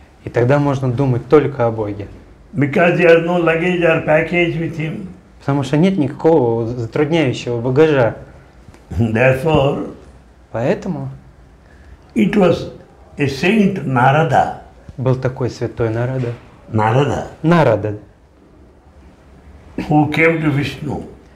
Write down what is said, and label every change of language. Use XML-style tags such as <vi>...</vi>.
<ru>И тогда можно думать только о Боге.</ru> <en>Because there is no luggage or package with him.</en> <ru>Потому что нет никакого затрудняющего багажа.</ru> <en>Therefore.</en> <ru>Поэтому.</ru> <en>It was a saint Narada.</en> <ru>Был такой святой Нарада. Нарада. Нарада.</ru> <en>Who came to Vishnu.</en>